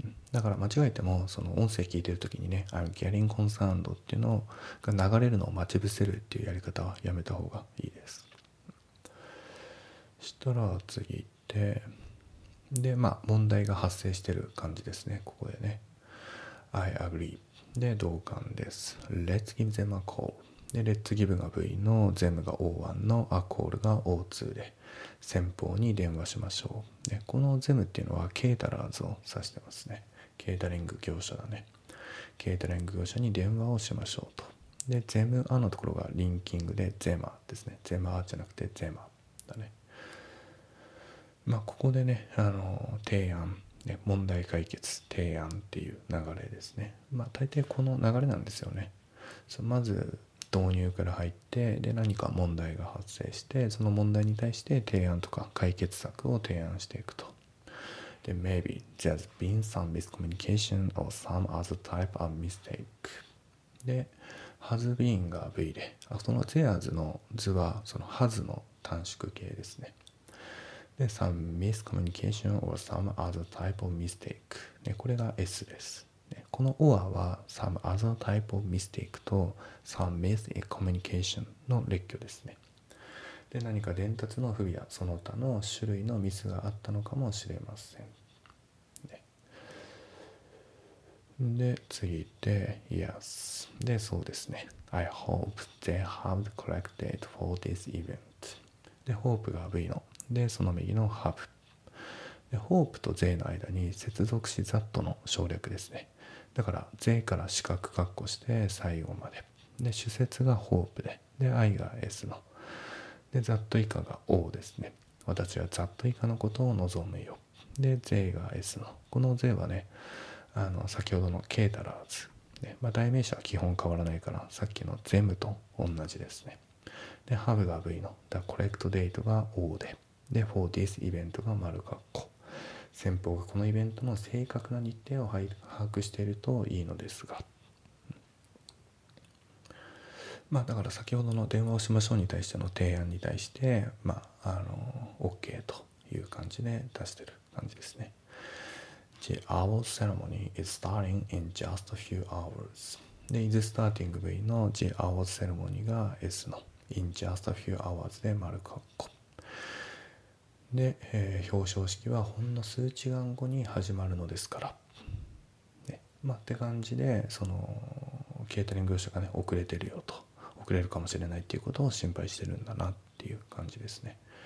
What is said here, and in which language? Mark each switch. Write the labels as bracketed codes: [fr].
[ja] だから間違えてもその音声聞いてる時にね [en] I'm getting concerned [ja] っていうのが流れるのを待ち伏せるっていうやり方はやめた方がいいです。したら次行ってでまあ問題が発生してる感じですね。ここでね [en] I agree [ja] で同感です。 [en] Let's give them a call [ja] で Let's give が V の them が O1 の a call が O2 で先方に電話しましょう。でこの them っていうのはケータラーズを指してますね。ケータリング業者だね。ケータリング業者に電話をしましょうと。で them a のところがリンキングで them a ですね。 them a じゃなくて them a だね。まあここでね提案問題解決提案っていう流れですね。まあ大抵この流れなんですよね。まず導入から入ってで何か問題が発生してその問題に対して提案とか解決策を提案していくと。で [en] maybe there's been some miscommunication or some other type of mistake [ja] で has been が V でその there's の図はその has の短縮形ですね。で、some miscommunication or some other type of mistake、ね、これが S です、ね、この or は some other type of mistake と some miscommunication の列挙ですね。で、何か伝達の不備やその他の種類のミスがあったのかもしれません、ね、で、次で Yes で、そうですね [en] I hope they have correct date for this event [ja] で、hope が V のでその右の have で hope と they の間に接続詞 that の省略ですね。だから they から四角括弧して最後までで主節が hope でで I が S ので that 以下が O ですね。私は that 以下のことを望むよで they が S のこの they はね先ほどの caterers、ねまあ、代名詞は基本変わらないからさっきの them と同じですね。で have が V の the correct date が O でで、for this event が丸括弧。先方がこのイベントの正確な日程を把握しているといいのですが。まあ、だから先ほどの電話をしましょうに対しての提案に対して、まあ、OK という感じで出してる感じですね。 [en] The award ceremony is starting in just a few hours. [ja] で、is starting V の The award ceremony が S の in just a few hours で丸括弧。で、表彰式はほんの数時間後に始まるのですから、ね、まあって感じでそのケータリング業者がね遅れてるよと遅れるかもしれないっていうことを心配してるんだなっていう感じですね。